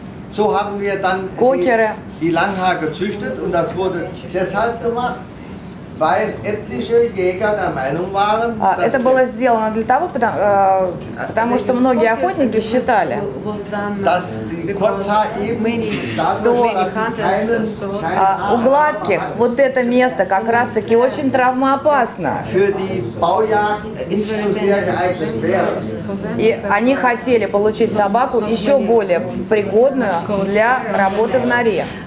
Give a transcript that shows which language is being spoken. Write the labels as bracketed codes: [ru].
[de] So haben wir dann die Langhaar gezüchtet und das wurde deshalb gemacht, weil etliche Jäger der Meinung waren, dass [ru] это было сделано для того, потому что многие охотники считали, [de] dass die Kurzhaar eben dadurch, dass [ru] у гладких вот это место как раз таки очень травмоопасно. [de] Für die Baujagd nicht so sehr geeignet wäre. [ru] И они хотели получить собаку еще более пригодную для работы в норе.